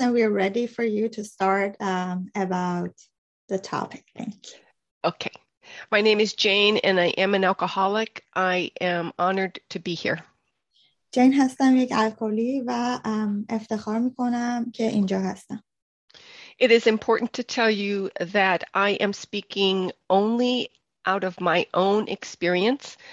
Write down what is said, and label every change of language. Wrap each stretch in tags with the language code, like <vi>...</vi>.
<en>And we are ready for you to start about the topic. Thank you. Okay. My name is Jane, and I am an alcoholic. I am honored to be here.</en> <fa>Jane هستم یک الکلی و افتخار میکنم که اینجا هستم.</fa> <en>It is important to tell you that I am speaking only out of my own experience.</en>